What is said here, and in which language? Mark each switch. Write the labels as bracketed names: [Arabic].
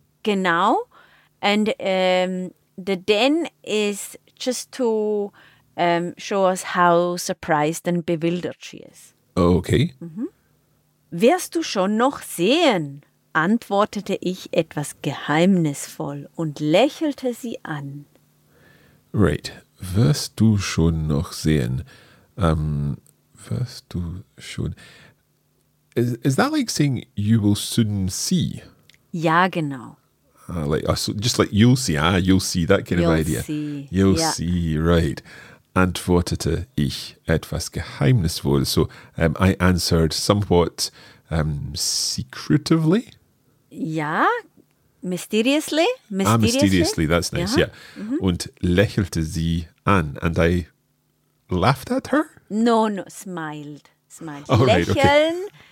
[German] Genau. [English] And the den is just to show us how surprised and bewildered she is. Okay. [German] Wirst du schon noch sehen, antwortete ich etwas geheimnisvoll und lächelte sie an. [English] Right. [German] Wirst du schon noch sehen? Wirst du schon... [English] Is that like saying you will soon see? [German] Ja, genau. [English] Just like you'll see, you'll see, that kind you'll of idea. See. You'll see, right. [German] Antwortete ich etwas geheimnisvoll. [English] So I answered somewhat secretively. Ja, mysteriously. Mysteriously, that's nice, ja. [German] Und lächelte sie an. [English] And I laughed at her? No, smiled. Oh, right, lächeln. Okay.